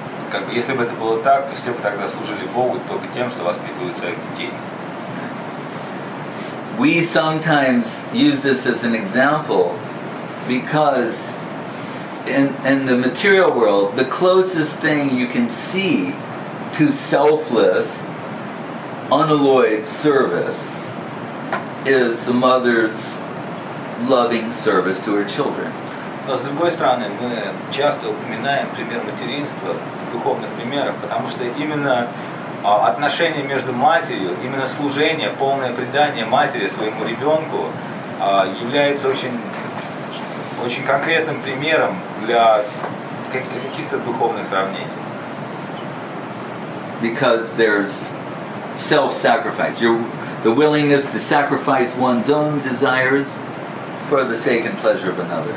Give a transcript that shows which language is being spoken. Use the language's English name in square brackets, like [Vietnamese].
[Russian] Как бы, если бы это было так, то все бы тогда служили Богу только тем, что воспитывают своих детей. [English] We sometimes use this as an example because in the material world, the closest thing you can see to selfless, unalloyed service is a mother's loving service to her children. [Russian] Но с другой стороны, мы часто упоминаем пример материнства в духовных примерах, потому что именно отношения между матерью, именно служение, полное предание матери своему ребенку является очень, очень конкретным примером для каких-то духовных сравнений. [English] Because there's self-sacrifice. The willingness to sacrifice one's own desires for the sake and pleasure of another.